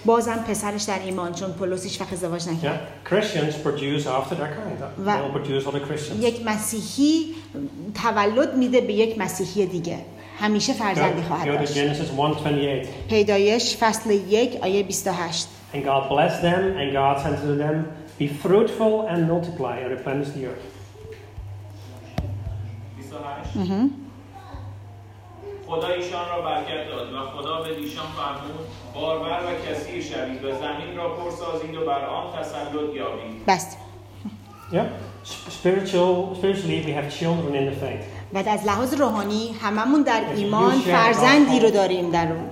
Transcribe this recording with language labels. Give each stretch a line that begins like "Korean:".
Persian: بازم پسرش در ایمان, چون پولس هیچ وقت ازدواج نکرد.
English: Yeah. Christians produce after their kind. They will produce other Christians.
Persian: یک مسیحی تولد میده به یک مسیحی دیگه. همیشه فرزندی خواهد داشت.
English: Genesis 1:28.
Persian: پیدایش فصل 1 آیه 28.
English: And God blessed them and God said to them, be fruitful and multiply and replenish the earth.
Persian: و خدا ایشان را برکت داد و خدا به ایشان فرمود بارور و کثیر شوید و زمین را پر سازید و بر آن تسلط یابید. بس.
English: Spiritually we have children in the faith.
Persian: و از لحاظ روحانی هممون در ایمان فرزندی رو داریم در اون.